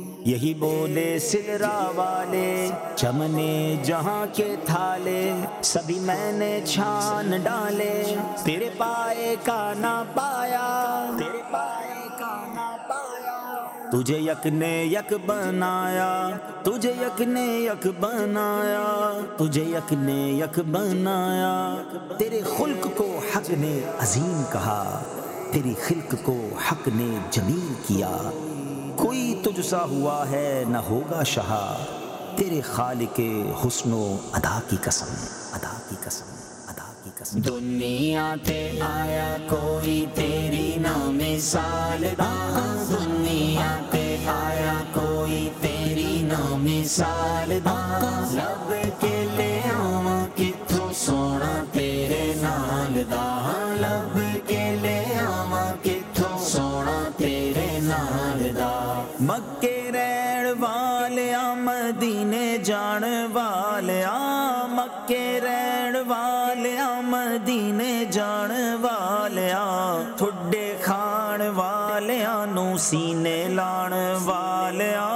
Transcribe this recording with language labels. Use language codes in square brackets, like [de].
[hi] यही बोले सिदरा वाले चमने जहाँ के थाले सभी मैंने छान डाले तेरे पाए का ना पाया तेरे पाए का ना पाया तुझे यक ने यक बनाया तुझे यक ने यक बनाया तुझे यक ने यक बनाया तेरे खुल्क को हक ने अजीम कहा तेरी खिल्क को हक ने जमील किया कोई तुझसा हुआ है न होगा शहा तेरे खालिक के हुस्नो अदा की कसम अदा की कसम अदा की कसम [pa] दुनिया ते आया कोई तेरी ना मिसाल दा दुनिया ते आया कोई तेरी ना مثال دا لب کے لے آواں کتھوں سونا تیرے نال دا لب کے لے آواں کتھوں سونا تیرے نال دا مکے رہن والے مدینے جان والے مکے رہن والے مدینے جان والے تھڈے کھان والے نو سینے لان والے